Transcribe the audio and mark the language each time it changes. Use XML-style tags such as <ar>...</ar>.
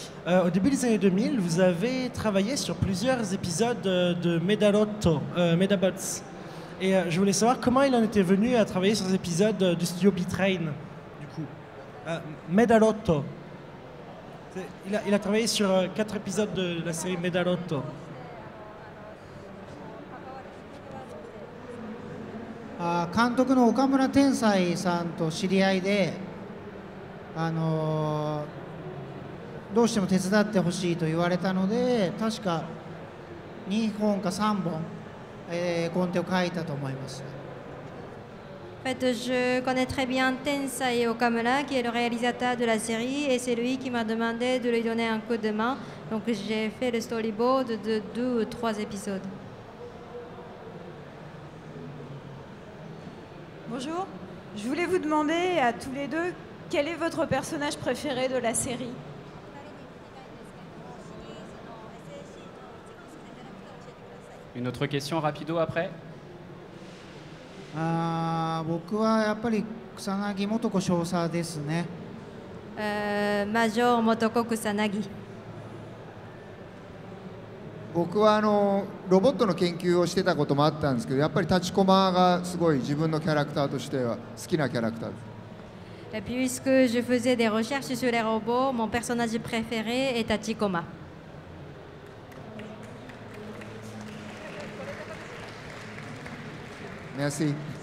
<fr>Au début des années 2000, vous avez travaillé sur plusieurs épisodes de Medabots. Et je voulais savoir comment il en était venu à travailler sur ces épisodes du studio B-Train, du coup. Medalotto. Il a travaillé sur 4 épisodes de la série Medalotto.</fr> <ja>Ah, 監督の岡村天才さんと知り合いで、どうしても手伝ってほしいと言われたので、確か2本か3本、コンテを書いたと思います。</ja> <fr>En fait, je connais très bien Tensai Okamura, qui est le réalisateur de la série, et c'est lui qui m'a demandé de lui donner un coup de main. Donc j'ai fait le storyboard de 2 ou 3 épisodes. Bonjour, je voulais vous demander à tous les deux, quel est votre personnage préféré de la série ? Une autre question rapido après ?</fr> <ja>僕はやっぱり草薙元子少佐ですね。マジョー元子草薙。僕はロボットの研究をしてたこともあったんですけど、やっぱり立ちこまがすごい自分のキャラクターとしては好きなキャラクターです。</ja> <fr>Et puisque je faisais des recherches sur les robots, mon personnage préféré est Tachikoma. Merci.</fr>